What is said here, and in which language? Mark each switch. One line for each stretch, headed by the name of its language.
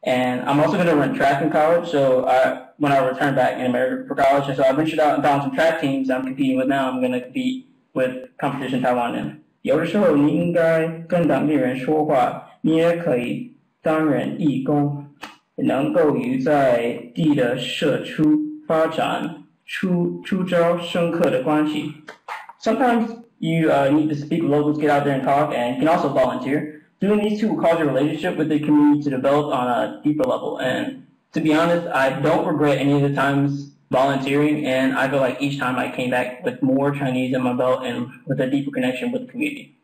English: And I'm also going to run track in college, so when I return back in America for college, so I ventured out and found some track teams I'm competing with now. I'm going to compete with Competition Taiwan in.
Chinese: 有的时候你应该跟当地人说话，你也可以担任义工，能够与在地的社区发展出招深刻的关系。
English: Sometimes you need to speak locals, get out there and talk, and can also volunteer. Doing these two will cause your relationship with the community to develop on a deeper level. And to be honest, I don't regret any of the times volunteering, and I feel like each time I came back with more Chinese in my belt and with a deeper connection with the community.